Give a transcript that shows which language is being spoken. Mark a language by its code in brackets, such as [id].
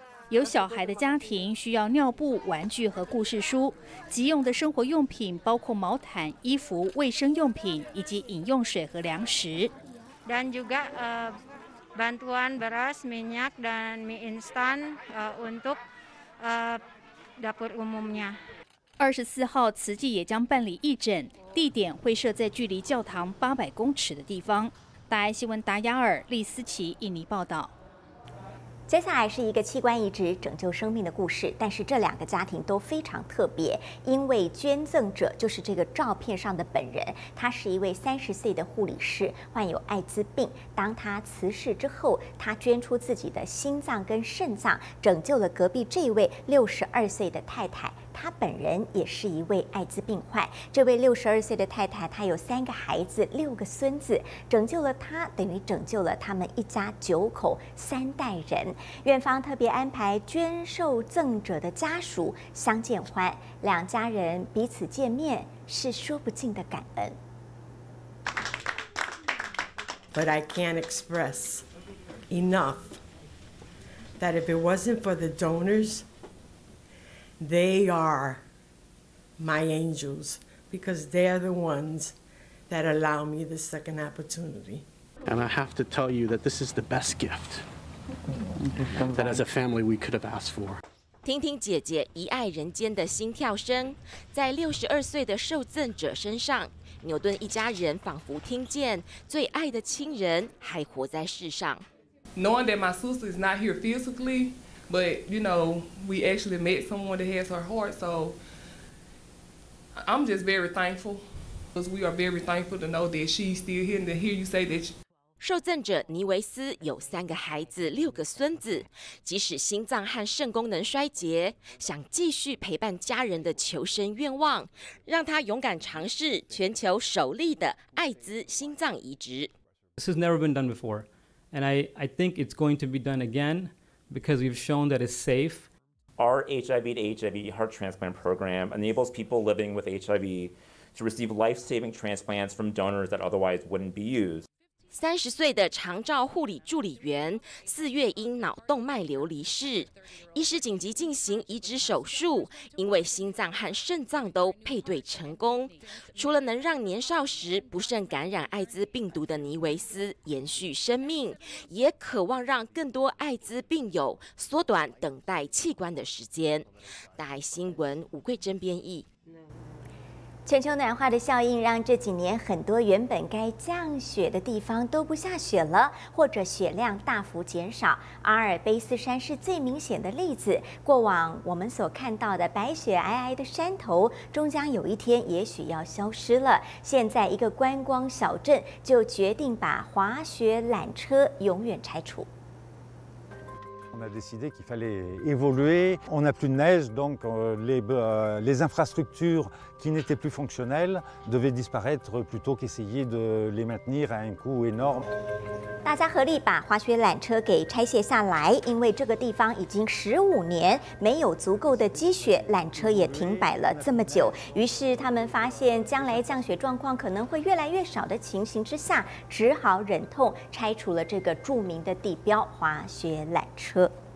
[zh] 有小孩的家庭需要尿布、玩具和故事书，急用的生活用品包括毛毯、衣服、卫生用品以及饮用水和粮食。 [id] Dan juga bantuan beras, minyak dan mie instan untuk dapur umumnya。 [zh] 24号，慈济也将办理义诊，地点会设在距离教堂800公尺的地方。大爱新闻达雅尔利斯奇印尼报道。接下来是一个器官移植拯救生命的故事，但是这两个家庭都非常特别，因为捐赠者就是这个照片上的本人，他是一位30岁的护理师，患有艾滋病。当他辞世之后，他捐出自己的心脏跟肾脏，拯救了隔壁这位62岁的太太。他本人也是一位艾滋病患，这位62岁的太太，她有3个孩子、6个孙子，拯救了她，等于拯救了他们一家9口3代人。院方特别安排捐受赠者的家属相见欢，两家人彼此见面是说不尽的感恩。 [en] But I can't express enough that if it wasn't for the donors. They are my angels because they are the ones that allow me the second opportunity. And I have to tell you that this is the best gift that as a family we could have asked for. [zh] 听听姐姐遗爱人间的心跳声，在62岁的受赠者身上，牛顿一家人仿佛听见最爱的亲人还活在世上。 [en] Knowing that my sister is not here physically. But you know, we actually met someone that has her heart, so I'm just very thankful. Because we are very thankful to know that she's still here and to hear you say that. [zh] 受赠者尼维斯有3个孩子、6个孙子，即使心脏和肾功能衰竭，想继续陪伴家人的求生愿望，让他勇敢尝试全球首例的艾滋心脏移植。 [en] This has never been done before, and I think it's going to be done again. Because we've shown that it's safe. Our HIV to HIV heart transplant program enables people living with HIV to receive life-saving transplants from donors that otherwise wouldn't be used. [zh] 30岁的长照护理助理员四月因脑动脉瘤离世，医师紧急进行移植手术，因为心脏和肾脏都配对成功，除了能让年少时不慎感染艾滋病毒的尼维斯延续生命，也渴望让更多艾滋病友缩短等待器官的时间。大爱新闻吴桂珍编译。全球暖化的效应让这几年很多原本该降雪的地方都不下雪了，或者雪量大幅减少。阿尔卑斯山是最明显的例子。过往我们所看到的白雪皑皑的山头，终将有一天也许要消失了。现在一个观光小镇就决定把滑雪缆车永远拆除。 [fr] On a décidé qu'il fallait évoluer. On n'a plus de neige, donc les infrastructures qui n'étaient plus fonctionnelles devaient disparaître plutôt qu'essayer de les maintenir à un coût énorme. [zh] 大家合力把滑雪缆车给拆卸下来，因为这个地方已经15年没有足够的积雪，缆车也停摆了这么久。于是他们发现，将来降雪状况可能会越来越少的情形之下，只好忍痛拆除了这个著名的地标——滑雪缆车。